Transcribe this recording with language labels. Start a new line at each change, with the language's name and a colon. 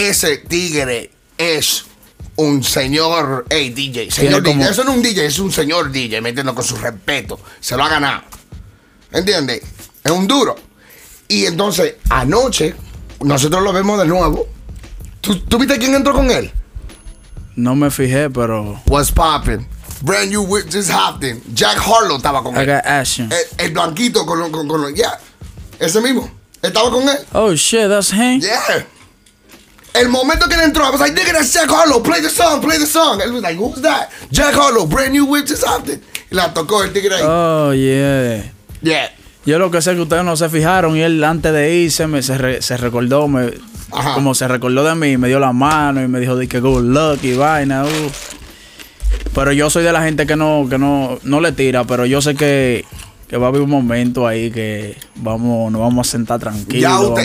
Spanish: Ese tigre es un señor, hey, DJ. Señor DJ. Como... Eso no es un DJ, es un señor DJ, me entiendo, con su respeto. Se lo ha ganado. ¿Entiendes? Es un duro. Y entonces, anoche, nosotros lo vemos de nuevo. ¿Tú viste quién entró con él? No me fijé, pero...
English: What's poppin'? Brand new whip just hopped in.
Spanish: Jack Harlow estaba con
English: I
Spanish: él.
English: I got action.
Spanish: El blanquito con los... Yeah. Ese mismo. Estaba con él.
English: Oh, shit, that's him. Yeah.
Spanish: El momento que él entró,
English: I was like, nigga, that's Jack Harlow. Play the song. Él was like, who's that? Jack Harlow, brand new whip just hopped in.
Spanish: Y la tocó el tigre ahí.
English: Oh, yeah. Yeah.
Spanish: Yo lo que sé es que ustedes no se fijaron y él antes de irse se recordó, como se recordó de mí, me dio la mano y me dijo de que
English: good luck
Spanish: y vaina. Pero yo soy de la gente que no le tira, pero yo sé que va a haber un momento ahí que nos vamos a sentar tranquilos.